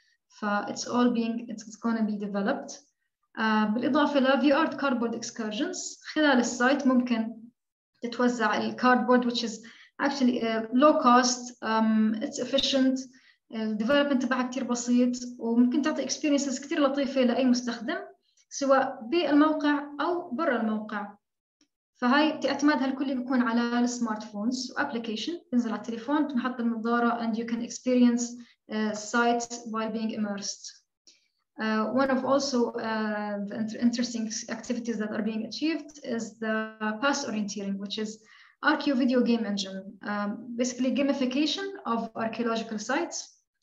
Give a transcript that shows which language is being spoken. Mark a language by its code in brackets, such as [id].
[en] ف it's all being it's gonna be developed. [ar] بالإضافة ل [en] view art cardboard excursions [ar] خلال السايت ممكن تتوزع الكاردبورد [en] which is actually low cost, it's efficient, [ar] development تبعها كتير بسيط وممكن تعطي experiences كتير لطيفة لأي مستخدم سواء بالموقع أو برا الموقع. فهاي اعتمادها الكل بيكون على السمارت فونز وابليكيشن بنزل على التليفون بنحط النظارة [en] and you can experience site while being immersed. One of also the interesting activities that are being achieved is the past orienteering, which is Archeo video game engine, basically gamification of archaeological sites.